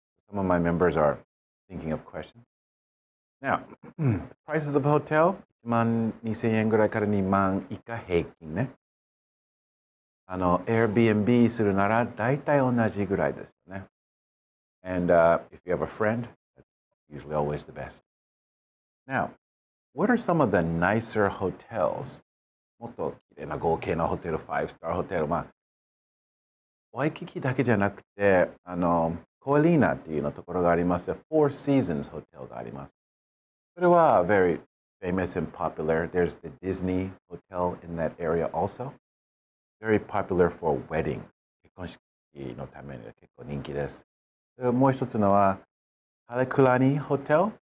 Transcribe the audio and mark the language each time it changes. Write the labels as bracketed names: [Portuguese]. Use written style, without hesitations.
[English] Some of my members are thinking of questions. Now, prices of hotel, [Japanese] 1万2000円ぐらいから2万以下平均ね。 Airbnb するならだいたい同じぐらいですよね。 [English] And if you have a friend, that's usually always the best. Now, what are some of the nicer hotels? [Japanese] もっときれいな豪華なホテル、5 star ホテル。まあ、ワイキキだけじゃなくて、コエリーナっていうのところがありますよ。 [English] Four Seasons [Japanese] ホテルがあります。それは [English] very famous and popular. There's the Disney Hotel in that area also. Very popular for wedding. [Japanese] 結婚式のために結構人気です。もう一つのは、ハレクラニホテル。